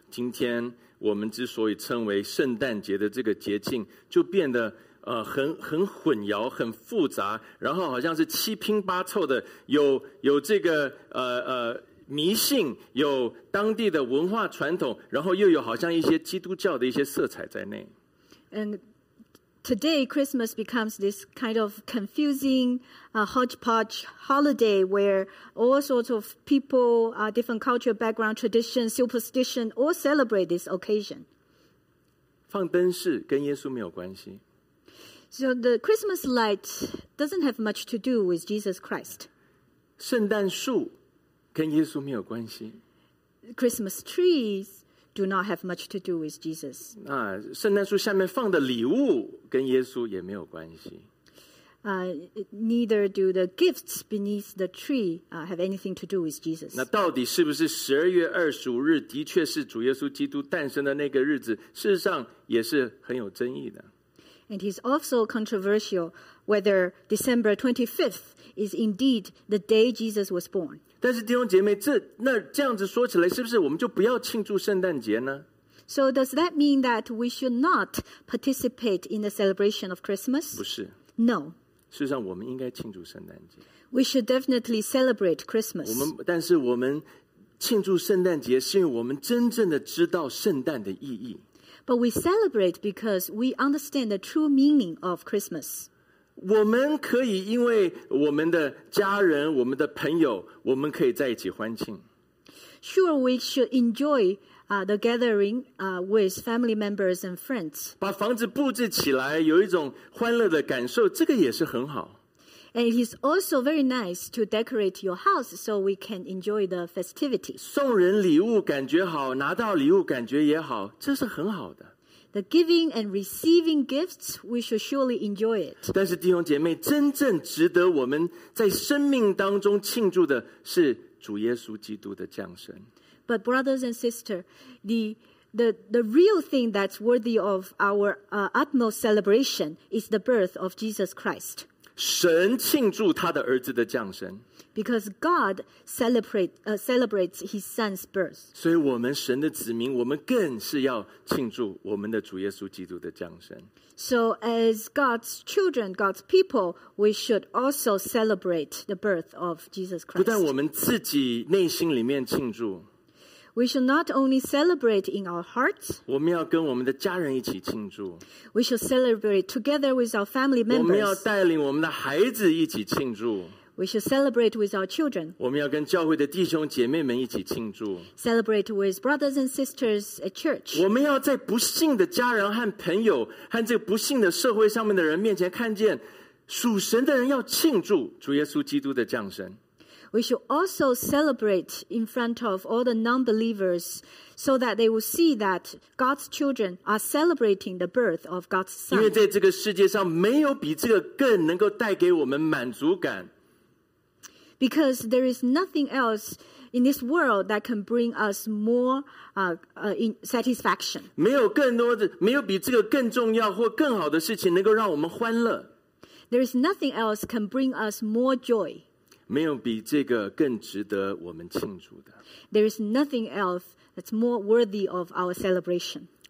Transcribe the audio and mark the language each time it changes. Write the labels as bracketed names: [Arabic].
[Chinese] 今天我们之所以称为圣诞节的这个节庆，就变得。很混淆，很复杂，然后好像是七拼八凑的，有这个迷信，有当地的文化传统，然后又有好像一些基督教的一些色彩在内。 [English] And today Christmas becomes this kind of confusing, hodgepodge holiday where all sorts of people, different cultural background, tradition, superstition, all celebrate this occasion. [Chinese] 放灯饰跟耶稣没有关系。 [English] So the Christmas light doesn't have much to do with Jesus Christ. [Chinese] 圣诞树跟耶稣没有关系。 [English] Christmas trees do not have much to do with Jesus. [Chinese] 那圣诞树下面放的礼物跟耶稣也没有关系。 [English] Neither do the gifts beneath the tree have anything to do with Jesus. [Chinese] 那到底是不是十二月二十五日的确是主耶稣基督诞生的那个日子？事实上也是很有争议的。 [English] And it's also controversial whether December 25th is indeed the day Jesus was born. [Chinese] 但是弟兄姐妹，这样子说起来，是不是我们就不要庆祝圣诞节呢？ [English] So does that mean that we should not participate in the celebration of Christmas? [Chinese] 不是。 [English] No. [Chinese] 事实上，我们应该庆祝圣诞节。 [English] We should definitely celebrate Christmas. [Chinese] 但是我们庆祝圣诞节，是因为我们真正的知道圣诞的意义。 [English] But we celebrate because we understand the true meaning of Christmas. [Chinese] 我们可以因为我们的家人、我们的朋友，我们可以在一起欢庆。 [English] Sure, we should enjoy the gathering with family members and friends. [Chinese] 把房子布置起来，有一种欢乐的感受，这个也是很好。 [English] And it is also very nice to decorate your house so we can enjoy the festivity. [Chinese] 送人礼物感觉好，拿到礼物感觉也好，这是很好的。 [English] The giving and receiving gifts, we should surely enjoy it. [Chinese] 但是弟兄姐妹，真正值得我们在生命当中庆祝的是主耶稣基督的降生。 [English] But brothers and sisters, the real thing that's worthy of our utmost celebration is the birth of Jesus Christ. [Chinese] 神庆祝他的儿子的降生 [English] ，because God celebrates His Son's birth。 [Chinese] 所以，我们神的子民，我们更是要庆祝我们的主耶稣基督的降生。 [English] So as God's children, God's people, we should also celebrate the birth of Jesus Christ。 [Chinese] 不但我们自己内心里面庆祝 [English] ，we should not only celebrate in our hearts。 [Chinese] 我们要跟我们的家人一起庆祝。 [English] We shall celebrate together with our family members. [Chinese] 我们要带领我们的孩子一起庆祝。 [English] We shall celebrate with our children. [Chinese] 我们要跟教会的弟兄姐妹们一起庆祝。 [English] Celebrate with brothers and sisters at church. [Chinese] 我们要在不幸的家人和朋友和这个不幸的社会上面的人面前看见属神的人要庆祝主耶稣基督的降生。 [English] We should also celebrate in front of all the non-believers so that they will see that God's children are celebrating the birth of God's Son. [Chinese] 因为在这个世界上没有比这个更能够带给我们满足感。 [English] Because there is nothing else in this world that can bring us more satisfaction. [Chinese] 没有更多的，没有比这个更重要或更好的事情能够让我们欢乐。 [English] There is nothing else can bring us more joy. [Chinese] 没有比这个更值得我们庆祝的。 [English] There is nothing else that's more worthy of our celebration.